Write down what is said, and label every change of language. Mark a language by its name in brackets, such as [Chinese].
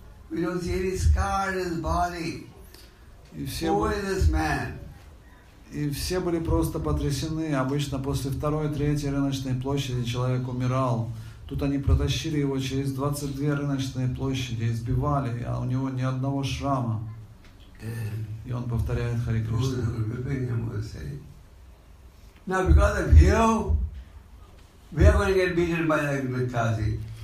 [English] We don't see any scar in his body. Who is this man? [Russian] И все были просто потрясены. Обычно после второй, третьей рыночной площади человек умирал. Тут они протащили его через 22 рыночные площади, избивали, а у него ни одного шрама. И он повторяет Хари Кришна. [English] Now because of you, we are going to get beaten by the Kazi.